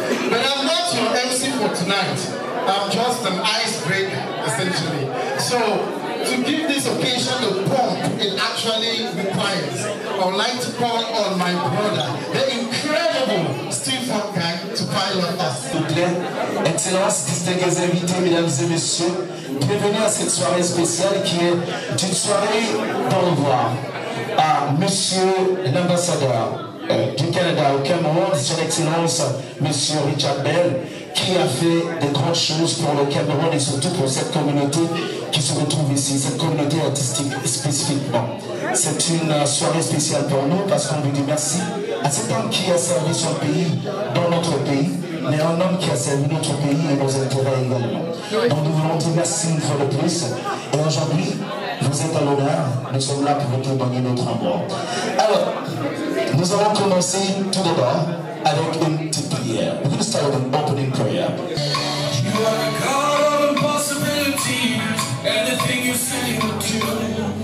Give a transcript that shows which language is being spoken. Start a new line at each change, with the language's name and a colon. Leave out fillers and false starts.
English: But I'm not your MC for tonight. I'm just an icebreaker, essentially. So, to give this occasion the pomp it actually requires, I would like to call on my brother, the incredible Steve Hawkeye, to pilot us.
French: S'il vous plaît, excellence, distingués invités, mesdames et messieurs, bienvenue à cette soirée spéciale qui est une soirée pour le voir. À Monsieur l'ambassadeur du Canada au Cameroun, son excellence Monsieur Richard Bale, qui a fait de grandes choses pour le Cameroun et surtout pour cette communauté qui se retrouve ici, cette communauté artistique spécifiquement. C'est une soirée spéciale pour nous parce qu'on vous dit merci à cet homme qui a servi son pays dans notre pays, mais un homme qui a servi notre pays et nos intérêts également. Donc nous voulons dire merci une fois de plus et aujourd'hui, vous êtes à l'honneur, nous sommes là pour vous témoigner notre amour. Alors, nous allons commencer tout d'abord avec une petite prière.
English: We're going to start with an opening prayer. You are the God of impossibilities, anything you say will do.